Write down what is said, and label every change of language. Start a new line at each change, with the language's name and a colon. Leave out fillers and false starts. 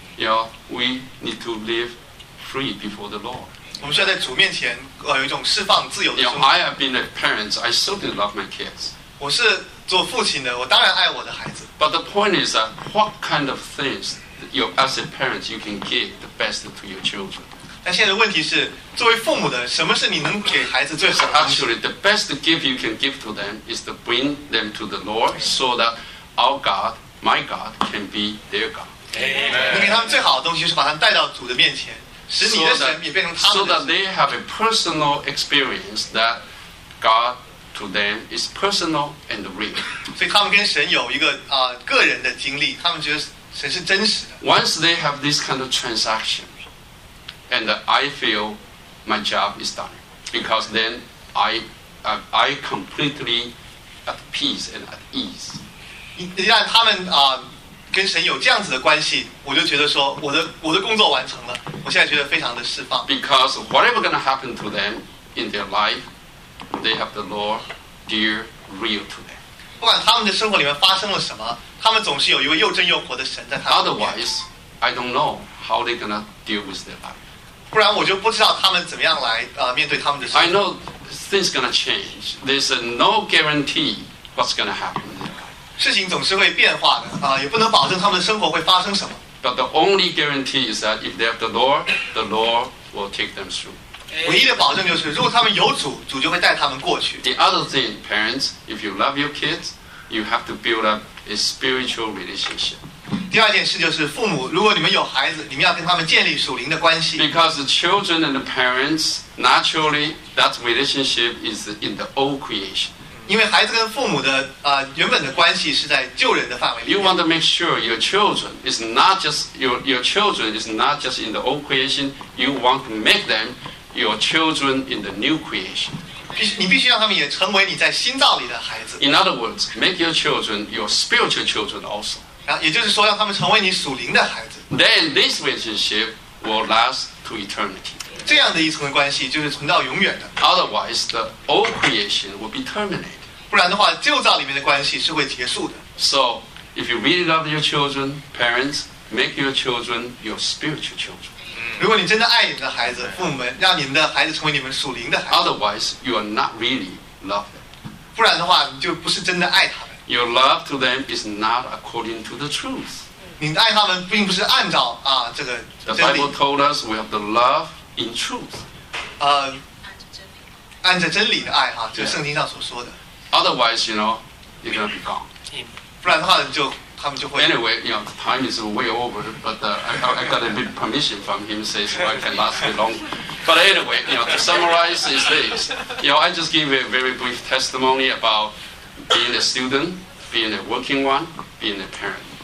English: You know, we need to live free before the Lord.
Chinese: 我们需要在主面前有一种释放自由的生活。
English: You know, I have been a parent. I certainly love my kids.
Chinese: 我是做父亲的，我当然爱我的孩子。
English: But the point is that what kind of things you as a parent you can give the best to your children?
Chinese: 但现在的问题是，作为父母的，什么是你能给孩子最好的？
English: Actually, the best gift you can give to them is to bring them to the Lord, so that our God, my God, can be their God. Amen.
Chinese: 你给他们最好的东西是把他们带到主的面前，使你的神也变成他们的神。
English: So that they have a personal experience that God to them is personal and real.
Chinese: 所以他们跟神有一个个人的经历，他们觉得神是真实的。
English: Once they have this kind of transaction. And I feel my job is done because then I completely at peace and at ease.
Chinese: 让他们跟神有这样子的关系，我就觉得说我的工作完成了，我现在觉得非常的释放。
English: Because whatever going to happen to them in their life, they have the Lord dear, real to them.
Chinese: 不管他们的生活里面发生了什么，他们总是有一位又真又活的神在他们。
English: Otherwise, I don't know how they going to deal with their life.
Chinese: 不然我就不知道他们怎么样来面对他们的生活。
English: I know things gonna change. There's no guarantee what's gonna happen.
Chinese: 事情总是会变化的也不能保证他们的生活会发生什么。
English: But the only guarantee is that if they have the Lord will take them through.
Chinese: 唯一的保证就是，如果他们有主，主就会带他们过去。
English: The other thing, parents, if you love your kids, you have to build up a spiritual relationship.
Chinese: 第二件事就是父母，如果你们有孩子，你们要跟他们建立属灵的关系。
English: Because the children and the parents, naturally, that relationship is in the old creation.
Chinese: 因为孩子跟父母的原本的关系是在旧人的范围里面。
English: You want to make sure your children is not just your children is not just in the old creation. You want to make them your children in the new creation.
Chinese: 你必须让他们也成为你在新造里的孩子。
English: In other words, make your children your spiritual children also.
Chinese: 也就是说，让他们成为你属灵的孩子。
English: Then this relationship will last to eternity.
Chinese: 这样的一层的关系就是存到永远的。
English: Otherwise, the old creation will be terminated.
Chinese: 不然的话，旧造里面的关系是会结束的。
English: So, if you really love your children, parents, make your children your spiritual children.
Chinese: 如果你真的爱你的孩子，父母们让你们的孩子成为你们属灵的孩子。
English: Otherwise, you are not really love them.
Chinese: 不然的话，你就不是真的爱他们。
English: Your love to them is not according to the truth.
Chinese: 你的爱他们并不是按照啊这个真理。
English: The Bible told us we have the love in truth.
Chinese: 按着真理的爱哈，就是圣经上所说的。
English: Otherwise, you know, you're gonna be gone.
Chinese: 不然的话，就他们就会。
English: Anyway, you know, time is way over, but I got a bit permission from him, say so I can last it long. But anyway, you know, to summarize is this. You know, I just give a very brief testimony about being a student, being a working one, being a parent.